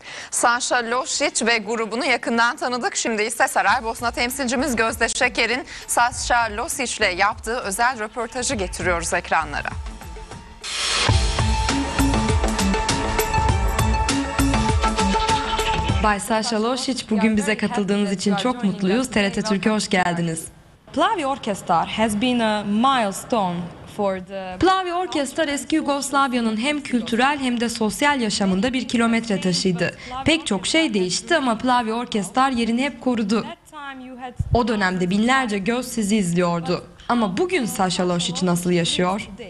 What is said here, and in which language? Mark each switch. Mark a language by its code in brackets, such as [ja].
[tr] Sanşa Loşiç ve grubunu yakından tanıdık. Şimdi ise Saraybosna temsilcimiz Gözde Şeker'in Sanşa Loşiç ile yaptığı özel röportajı getiriyoruz ekranlara. Bay Sanşa Loşiç, bugün bize katıldığınız için çok mutluyuz. TRT Türk'e hoş geldiniz. [en] Plavi Orkestra has been a milestone. [tr] Plavi Orkestra eski Yugoslavya'nın hem kültürel hem de sosyal yaşamında bir kilometre taşıydı. Pek çok şey değişti ama Plavi Orkestra yerini hep korudu. O dönemde binlerce göz sizi izliyordu. Ama bugün Sanşa Loşiç nasıl yaşıyor?